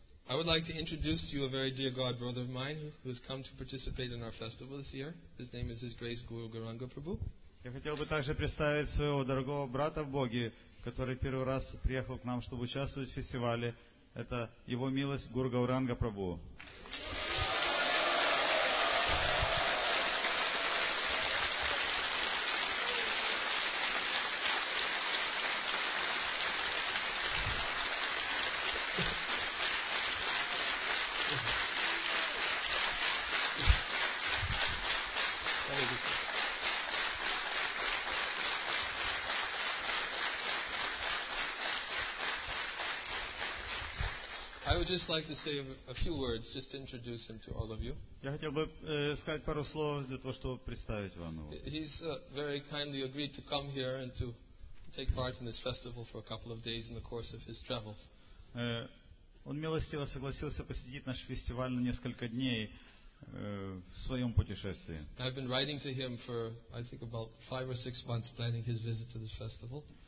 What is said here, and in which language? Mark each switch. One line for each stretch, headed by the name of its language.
English: I'd like to introduce to you a very dear God brother of mine who has come to participate in our festival this year. His name is His Grace Guru Gauranga Prabhu.
Russian: Я хотел бы также представить своего дорогого брата в Боге, который первый раз приехал к нам, чтобы участвовать в фестивале. Это его милость Гуру Гауранга Прабху.
English: I would just like to say a few words just to introduce him to all of you.
Russian: Я хотел бы сказать пару слов для того, чтобы представить вам его.
English: He's very kindly agreed to come here and to take part in this festival for a couple of days in the course of his travels.
Russian: Он милостиво согласился посетить наш фестиваль на несколько дней в своем путешествии.
English: I've been writing to him for I think about 5 or 6 months planning his visit to this festival.